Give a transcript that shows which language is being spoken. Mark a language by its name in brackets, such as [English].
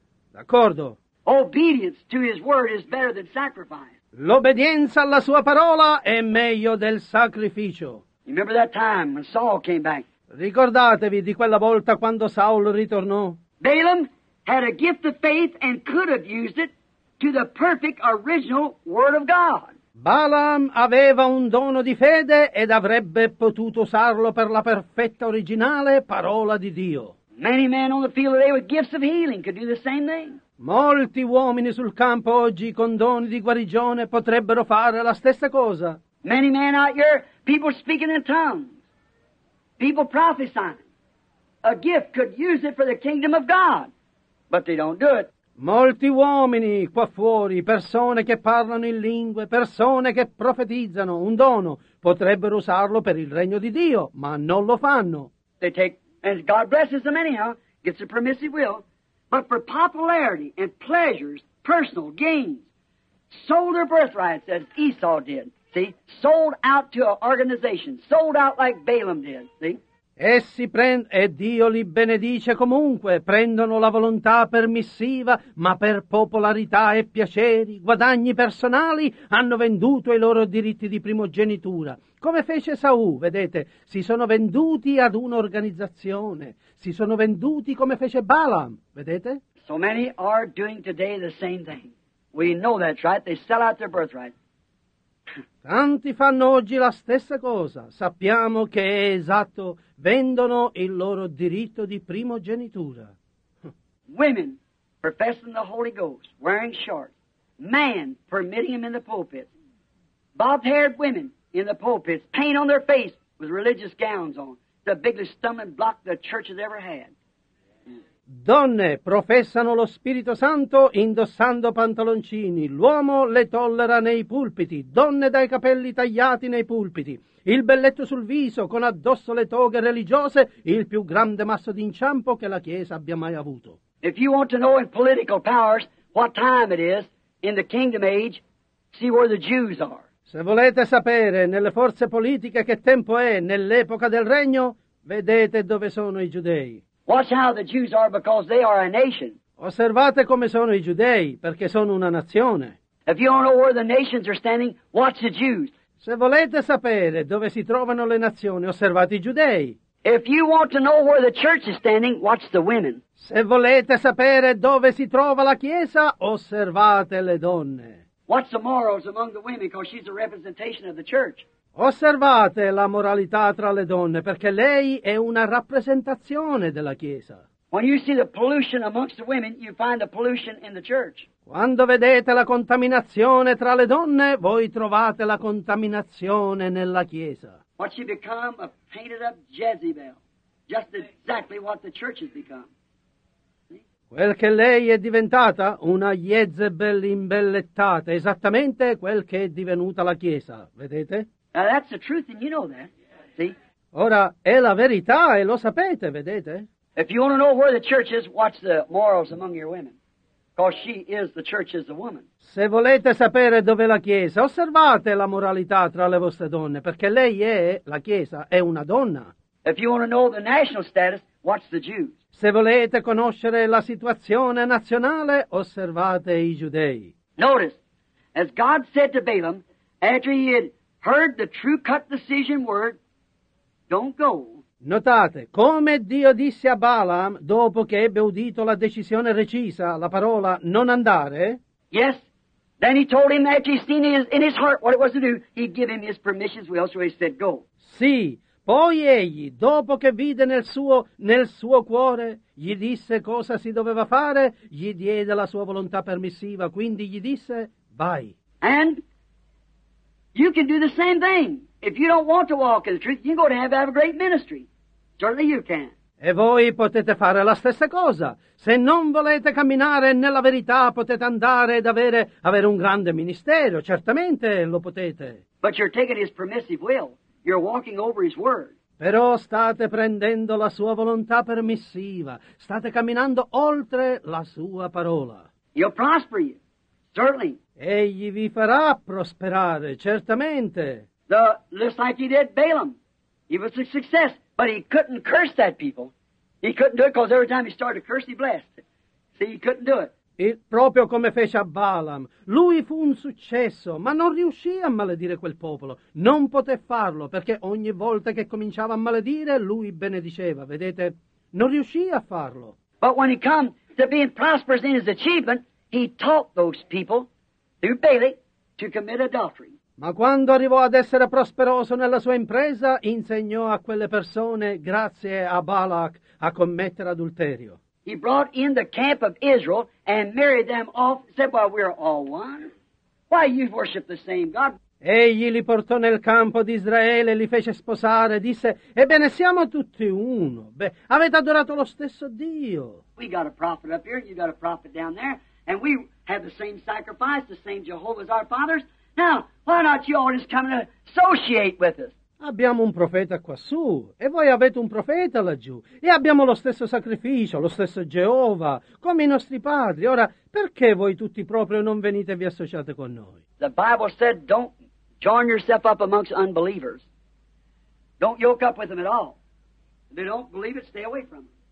[Italian] D'accordo? [English] Obedience to his word is better than sacrifice. [Italian] L'obbedienza alla sua parola è meglio del sacrificio. [English] You remember that time when Saul came back? [Italian] Ricordatevi di quella volta quando Saul ritornò. [English] Balaam had a gift of faith and could have used it to the perfect original word of God. [Italian] Balaam aveva un dono di fede ed avrebbe potuto usarlo per la perfetta originale parola di Dio. [English] Many men on the field today with gifts of healing could do the same thing. [Italian] Molti uomini sul campo oggi con doni di guarigione potrebbero fare la stessa cosa. [English] Many men out here, people speaking in tongues. People prophesying. A gift could use it for the kingdom of God. But they don't do it. [Italian] Molti uomini qua fuori, persone che parlano in lingue, persone che profetizzano, un dono, potrebbero usarlo per il regno di Dio, ma non lo fanno. [English] They take, and God blesses them anyhow, gets a permissive will, but for popularity and pleasures, personal gains, sold their birthrights as Esau did. See, sold out to an organization, sold out like Balaam did, see? [Italian] Essi prendono, e Dio li benedice comunque, prendono la volontà permissiva, ma per popolarità e piaceri, guadagni personali, hanno venduto i loro diritti di primogenitura. Come fece Esaù, vedete, si sono venduti ad un'organizzazione, si sono venduti come fece Balaam, vedete? [English] So many are doing today the same thing. We know that's right, they sell out their birthright. [Italian] Tanti fanno oggi la stessa cosa. Sappiamo che è esatto. Vendono il loro diritto di primogenitura. [English] Women professing the Holy Ghost, wearing shorts. Man permitting them in the pulpit. Bob-haired women in the pulpits, paint on their face with religious gowns on. The biggest stomach block the church has ever had. [Italian] Donne professano lo Spirito Santo indossando pantaloncini, l'uomo le tollera nei pulpiti, donne dai capelli tagliati nei pulpiti, il belletto sul viso con addosso le toghe religiose, il più grande masso d'inciampo che la Chiesa abbia mai avuto. [English] If you want to know in political powers what time it is in the kingdom age, see where the Jews are. [Italian] Se volete sapere nelle forze politiche che tempo è nell'epoca del regno, vedete dove sono i giudei. [English] Watch how the Jews are because they are a nation. [Italian] Osservate come sono i giudei, perché sono una nazione. [English] If you don't know where the nations are standing, watch the Jews. [Italian] Se volete sapere dove si trovano le nazioni, osservate i giudei. [English] If you want to know where the church is standing, watch the women. [Italian] Se volete sapere dove si trova la chiesa, osservate le donne. [English] Watch the morals among the women because she's a representation of the church. [Italian] Osservate la moralità tra le donne, perché lei è una rappresentazione della Chiesa. [English] When you see the pollution amongst the women, you find the pollution in the church. [Italian] Quando vedete la contaminazione tra le donne, voi trovate la contaminazione nella Chiesa. [English] What she become a painted up Jezebel, just exactly what the church has become. [Italian] Quel che lei è diventata, una Jezebel imbellettata, esattamente quel che è divenuta la Chiesa, vedete? [English] Now that's the truth, and you know that. See? [Italian] Ora è la verità e lo sapete, vedete? [English] If you want to know where the church is, watch the morals among your women, because she is the church, is the woman. [Italian] Se volete sapere dove la chiesa, osservate la moralità tra le vostre donne, perché lei è la chiesa, è una donna. [English] If you want to know the national status, watch the Jews. [Italian] Se volete conoscere la situazione nazionale, osservate i giudei. [English] Notice, as God said to Balaam, after he had heard the true cut decision word, don't go. [Italian] Notate, come Dio disse a Balaam, dopo che ebbe udito la decisione recisa, la parola non andare. [English] Yes, then he told him after he seen in his heart what it was to do, he'd give him his permission as well, so he said go. [Italian] Sì. Poi egli, dopo che vide nel suo cuore, gli disse cosa si doveva fare, gli diede la sua volontà permissiva, quindi gli disse, vai. [English] And you can do the same thing. If you don't want to walk in the truth, you're going to have a great ministry. Certainly you can. [Italian] E voi potete fare la stessa cosa. Se non volete camminare nella verità, potete andare ed avere un grande ministero. Certamente lo potete. [English] But you're taking his permissive will. You're walking over his word. [Italian] Però state prendendo la sua volontà permissiva. State camminando oltre la sua parola. [English] He'll prosper you. Certainly. [Italian] Egli vi farà prosperare, certamente. [English] Just like he did Balaam. He was a success, but he couldn't curse that people. He couldn't do it because every time he started to curse, he blessed. See, he couldn't do it. [Italian] Proprio come fece a Balaam, lui fu un successo, ma non riuscì a maledire quel popolo. Non poté farlo, perché ogni volta che cominciava a maledire, lui benediceva. Vedete, non riuscì a farlo. [English] But when he came to being prosperous in his achievement, he taught those people, through Balaam, to commit adultery. [Italian] Ma quando arrivò ad essere prosperoso nella sua impresa, insegnò a quelle persone, grazie a Balak, a commettere adulterio. [English] He brought in the camp of Israel and married them off. Said, "Well, we're all one. Why you worship the same God?" [Italian] Egli li portò nel campo di Israele, li fece sposare. Disse, "Ebbene, siamo tutti uno. Beh, avete adorato lo stesso Dio." [English] We got a prophet up here, you got a prophet down there, and we have the same sacrifice, the same Jehovah as our fathers. Now, why not you all just come and associate with us? [Italian] Abbiamo un profeta quassù, e voi avete un profeta laggiù, e abbiamo lo stesso sacrificio, lo stesso Geova, come i nostri padri. Ora, perché voi tutti proprio non venite e vi associate con noi? [English] The Bible said don't join yourself up amongst unbelievers. Don't yoke up with them at all. If they don't believe it, stay away from them.